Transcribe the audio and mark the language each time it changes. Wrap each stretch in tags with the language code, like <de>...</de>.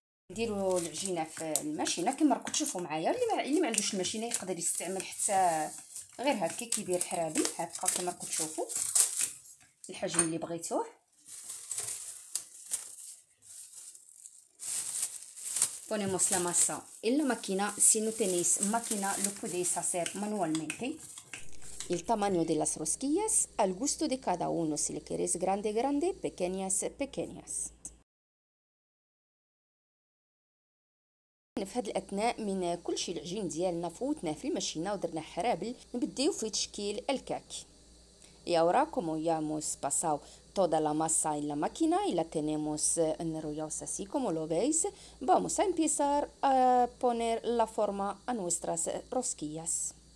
<ar>نديرو العجينه في الماشينه كما راكم تشوفوا معايا. اللي ما عندوش الماشينه يقدر يستعمل حتى غير هكا كيدير الحرابي هكا كما راكم تشوفوا الحجم اللي بغيتوه.</ar> <es>ponemos la masa en la máquina. Si no tenéis máquina lo podéis hacer manualmente. El tamaño de las rosquillas al gusto de cada uno, si le queréis grande grande, pequeñas pequeñas.</es> <ar>في هذا الاثناء من كل شيء العجين ديالنا فوتنا في الماشينه ودرنا حرابل نبداو في تشكيل الكعك.</ar> <es>Y ahora como ya hemos pasado toda la masa en la máquina y la tenemos enrollados así como lo veis, vamos a empezar a poner la forma a nuestras rosquillas.</es>